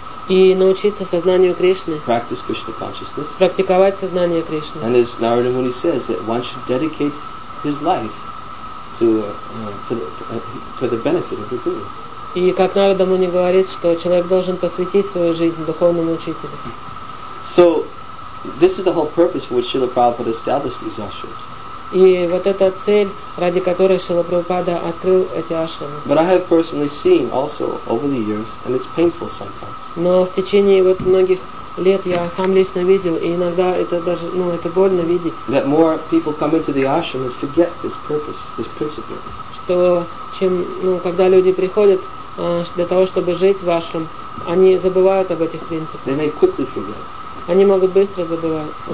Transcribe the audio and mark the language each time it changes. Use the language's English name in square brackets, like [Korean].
[Russian] И научиться сознанию Кришны. [English] Practice Krishna consciousness. [Russian] Практиковать сознание Кришны. [English] And as Narada Muni says, that one should dedicate his life for the benefit of the Guru. [Russian] И как Нарада Муни говорит, что человек должен посвятить свою жизнь духовному учителю. [English] So this is the whole purpose for which Srila Prabhupada established these ashrams. [Russian] И вот эта цель, ради которой Шрила Прабхупада открыл эти ашрамы. [English] But I have personally seen also over the years, and it's painful sometimes. [Russian] Но в течение вот многих лет я сам лично видел, и иногда это даже, ну, это больно видеть. [English] That more people come into the ashram and forget this purpose, this principle. [Russian] Что чем, ну, когда люди приходят для того, чтобы жить в ашрам, они забывают об этих принципах. [English] They may quickly forget. [Russian] Они могут быстро забывать.